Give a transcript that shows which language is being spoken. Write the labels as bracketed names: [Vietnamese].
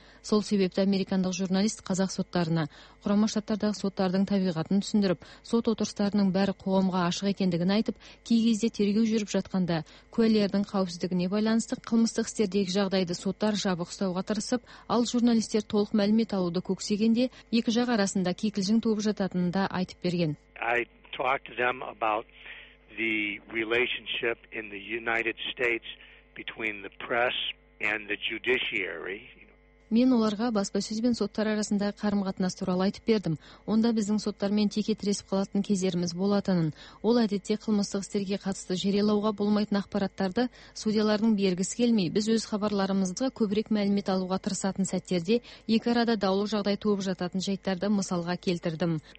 [Kazakh] Сол себепті американдық журналист қазақ соттарына Құрама Штаттардағы соттардың табиғатын түсіндіріп, сот отырыстарының бәрі қоғамға ашық екендігін айтып, кей кезде тергеу жүріп жатқанда куәлердің қауіпсіздігіне байланысты қылмыстық істердегі жағдайды соттар жабық ұстауға тырысып, ал журналистер толық мәлімет алуды көксегенде екі жақ арасында кикілжің туып жататынын да айтып берген. [English] I talked to them about the relationship in the United States between the press and the judiciary. [Kazakh] Мен оларға баспасөз бен соттар арасында қарым-қатынас туралы айтып бердім. Онда біздің соттармен теке тіресіп қалатын кездеріміз болатынын, ол әдетте қылмыстық істерге қатысты жариялауға болмайтын ақпараттарды судьялардың бергісі келмей, біз өз хабарларымызға көбірек мәлімет алуға тырысатын сәттерде екі арада даулы жағдай туып жататын жайттарды мысалға келтірдім.